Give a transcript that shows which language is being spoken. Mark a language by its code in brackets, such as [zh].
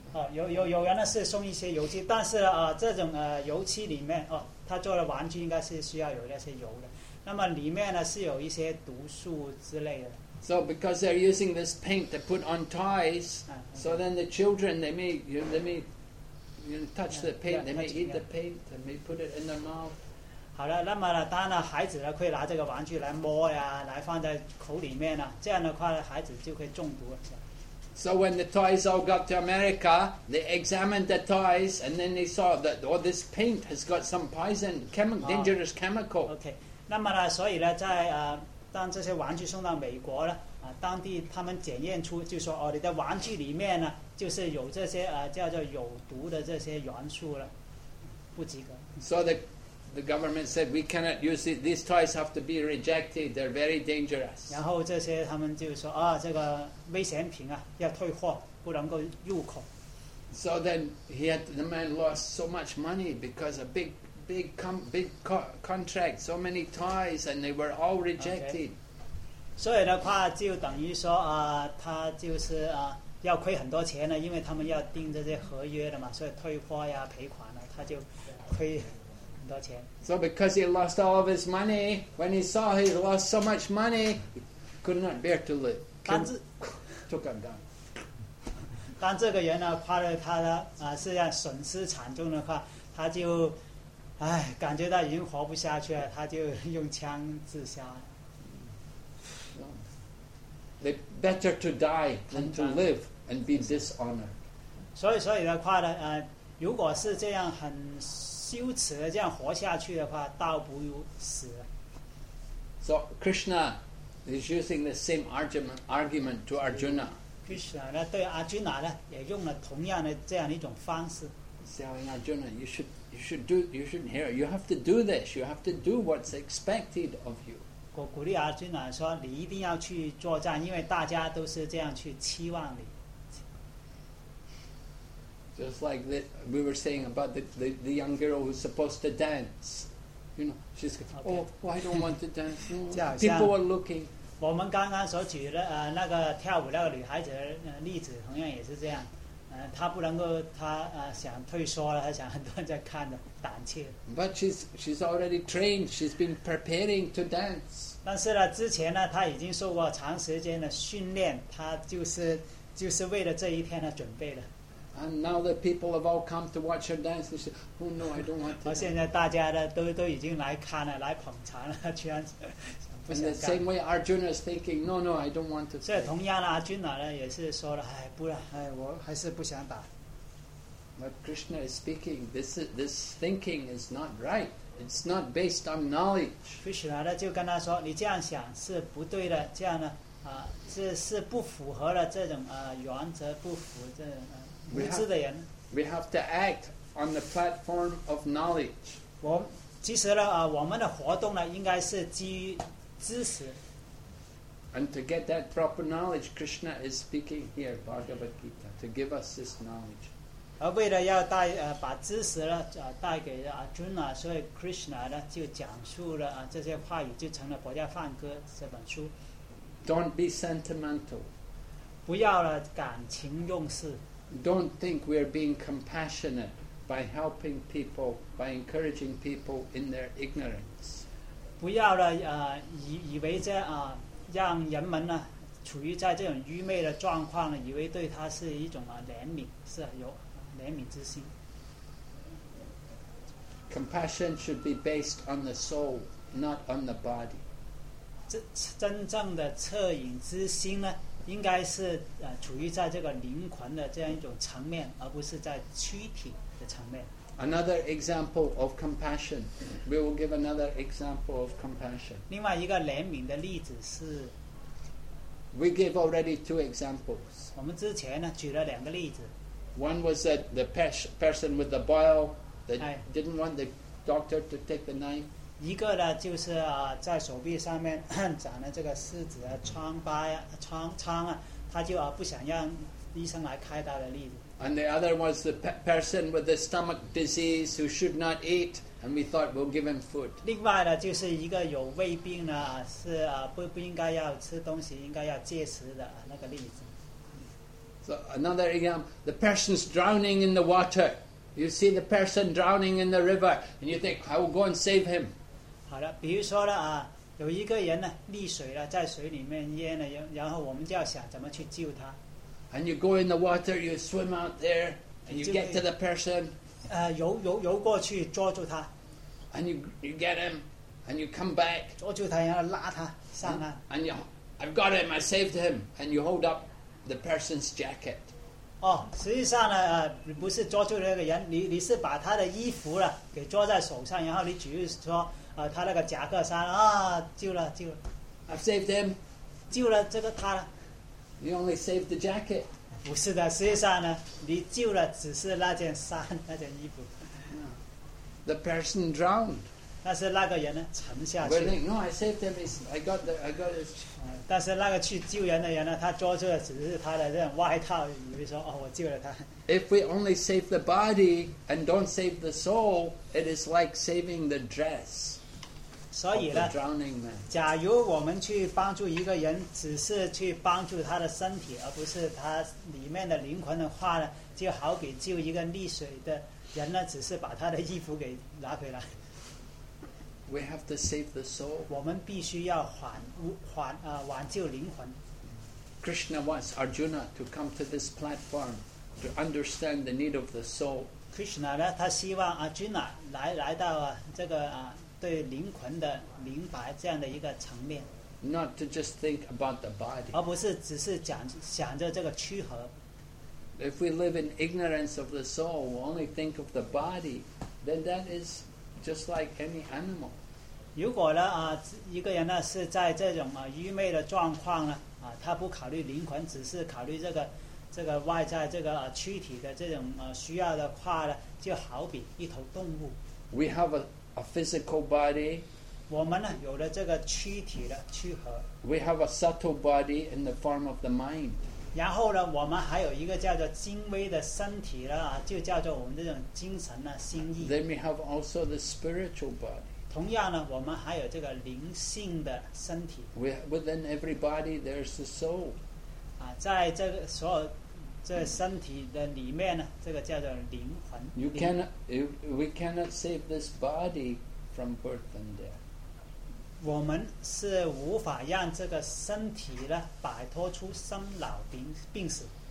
[zh] 有人呢是送一些油漆，但是这种油漆里面他做的玩具应该是需要有那些油的，那么里面呢是有一些毒素之类的。 [en] So because they're using this paint to put on toys, so then the children they may touch the paint, they may eat the paint, they may put it in their mouth. [zh] 好了，那么呢，当然孩子呢会拿这个玩具来摸呀，来放在口里面呢，这样的话呢，孩子就会中毒了。 [en] So when the toys all got to America, they examined the toys, and then they saw that this paint has got some poison, dangerous chemical. [zh] Okay, 那么呢，所以呢，在当这些玩具送到美国呢，当地他们检验出就说，你的玩具里面呢，就是有这些叫做有毒的这些元素了，不及格。 [en] So the government said we cannot use it. These toys have to be rejected. They're very dangerous. [zh] 然后这些他们就说这个危险品要退货，不能够入口。 [en] So then the man lost so much money because a big contract, so many toys, and they were all rejected. Okay. [zh] 所以的话就等于说他就是要亏很多钱了，因为他们要订这些合约的嘛，所以退货呀、赔款了，他就亏。 [en] So because he lost all of his money, when he saw he lost so much money, he could not bear to live. Took a gun. [zh] 当这个人呢夸了他的啊，是要损失惨重的话，他就，哎，感觉到已经活不下去了，他就用枪自杀。 [en] They better to die than to live and be dishonored. [zh] 所以的话呢，如果是这样很羞耻的这样活下去的话，倒不如死。 [en] So Krishna is using the same argument to Arjuna. [zh] Krishna 呢对阿尊那呢也用了同样的这样一种方式。 [en] Telling Arjuna, you should hear. You have to do this. You have to do what's expected of you. [zh] 我鼓励阿尊那说，你一定要去作战，因为大家都是这样去期望你。 [en] Just like that, we were saying about the young girl who's supposed to dance. You know, she's like, oh, well, I don't want to dance. No. People are looking. [zh] 我们刚刚所举的那个跳舞那个女孩子的例子，同样也是这样。她不能够，她想退缩了，她想很多人在看的，胆怯。 [en] But she's already trained. She's been preparing to dance. [zh] 但是呢，之前呢，她已经受过长时间的训练，她就是为了这一天的准备的。 [en] And now the people have all come to watch her dance. They say, "Oh no, I don't want to." [zh] 现在大家的都已经来看了，来捧场了，居然。 [en] In the same way, Arjuna is thinking, "No, no, I don't want to." [zh] 所以同样的，阿尊那呢也是说了，哎，不然，哎，我还是不想打。 [en] But Krishna is speaking. This thinking is not right. It's not based on knowledge. [zh] Krishna 呢就跟他说，你这样想是不对的，这样呢，是不符合了这种原则，不符这。 [en] We have to act on the platform of knowledge. [zh] 我们的活动呢，应该是基于知识。 [en] And to get that proper knowledge, Krishna is speaking here, Bhagavad Gita, to give us this knowledge. [zh] 而为了要带把知识呢带给Arjuna，所以 Krishna 呢就讲述了这些话语，就成了《薄伽梵歌》这本书。 [en] Don't be sentimental. [zh] 不要了感情用事。 [en] Don't think we are being compassionate by helping people, by encouraging people in their ignorance. [zh] 不要了，以为这让人们呢处于在这种愚昧的状况呢，以为对他是一种怜悯，是有怜悯之心。 [en] Compassion should be based on the soul, not on the body. [zh] 真正的恻隐之心呢？应该是处于在这个灵魂的这样一种层面，而不是在躯体的层面。 [en] Another example of compassion. We will give another example of compassion. [zh] 另外一个怜悯的例子是 [en] We gave already two examples. [zh] 我们之前呢举了两个例子。 [en] One was that the person with the boil that didn't want the doctor to take the knife. [zh] 一个呢就是在手臂上面长了这个虱子啊疮疤呀、啊、疮啊，他就不想让医生来开刀的例子。 [en] And the other was the person with the stomach disease who should not eat, and we thought we'll give him food. [zh] 另外呢就是一个有胃病呢是不应该要吃东西，应该要戒食的那个例子。 [en] So another example, the person's drowning in the water. You see the person drowning in the river, and you think, I will go and save him. [zh] 好的，比如说呢，有一个人呢溺水了，在水里面淹了，然后我们就要想怎么去救他。 [en] And you go in the water, you swim out there, and you get to the person. [zh] 游过去捉住他。 [en] And you get him, and you come back. [zh] 捉住他，然后拉他上岸。 [en] And you, I've got him, I saved him, and you hold up the person's jacket. [zh] 哦，实际上呢，你不是抓住那个人，你是把他的衣服了给抓在手上，然后你举着说，他那个夹克衫啊，救了 [en] ，I've saved him， [zh] 救了这个他了。 [en] You only saved the jacket。 [zh] 不是的，实际上呢，你救了只是那件衫那件衣服。 [en] The person drowned。 [zh] 但是那个人呢，沉下去。 [en] No, I saved him. I got his. [zh] 但是那个去救人的人呢，他抓住的只是他的这种外套，以为说哦，我救了他。 [en] If we only save the body and don't save the soul, it is like saving the dress. [zh] 所以呢 [en] of the drowning man. [zh] 假如我们去帮助一个人，只是去帮助他的身体，而不是他里面的灵魂的话呢，就好比救一个溺水的人呢，只是把他的衣服给拿回来。 [en] We have to save the soul. [zh] 我们必须要挽救灵魂。 [en] Krishna wants Arjuna to come to this platform to understand the need of the soul. [zh] Krishna 呢，他希望 Arjuna 来到这个啊，对灵魂的明白这样的一个层面。 [en] Not to just think about the body. [zh] 而不是只是想着这个躯壳。 [en] If we live in ignorance of the soul, we only think of the body, then that is just like any animal. [zh] 如果呢啊，一个人呢是在这种啊愚昧的状况呢啊，他不考虑灵魂，只是考虑这个外在这个躯体的这种需要的话呢，就好比一头动物。 [en] We have a physical body. [zh] 我们呢有了这个躯体的躯壳。 [en] We have a subtle body in the form of the mind. [zh] 然后呢，我们还有一个叫做精微的身体了，就叫做我们这种精神呢，心意。 [en] Then we have also the spiritual body. [zh] 同样呢，我们还有这个灵性的身体。 [en] Within every body, there's the soul. [zh] 在这个所有这身体的里面呢，这个叫做灵魂。 [en] We cannot save this body from birth and death. [zh] 我们是无法让这个身体呢摆脱出生老病死。